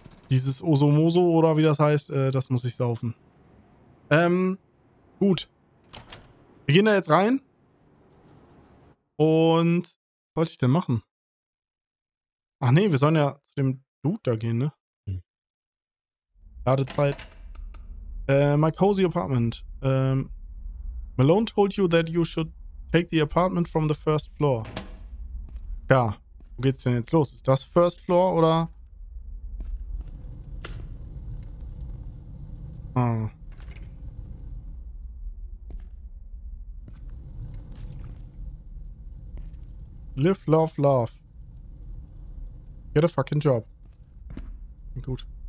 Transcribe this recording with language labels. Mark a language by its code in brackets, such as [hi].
[de] Dieses Osomoso oder wie das heißt, das muss ich saufen. Gut. Wir gehen da jetzt rein. Und was wollte ich denn machen? Ach nee, wir sollen ja zu dem Dude da gehen, ne? Ladezeit. [en] My cozy apartment. Malone told you that you should take the apartment from the first floor. [de] Ja, wo geht's denn jetzt los? Ist das first floor oder... [en] Live, love, love. Get a fucking job. [de] Gut.